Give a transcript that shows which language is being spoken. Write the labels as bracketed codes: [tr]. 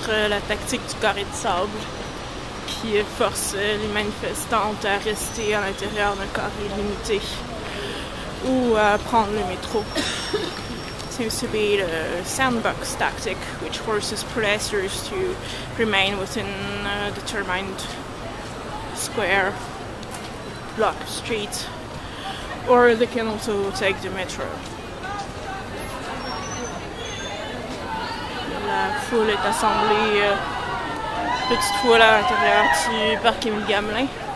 [fr] La tactique du carré de sable qui force les manifestantes à rester à l'intérieur d'un carré limité ou à prendre le métro. [en] Seems to be the sandbox tactic which forces protesters to remain within a determined square block of street, or they can also take the metro. [fr] La foule est assemblée, petite foule à l'intérieur du parc Émile Gamelin.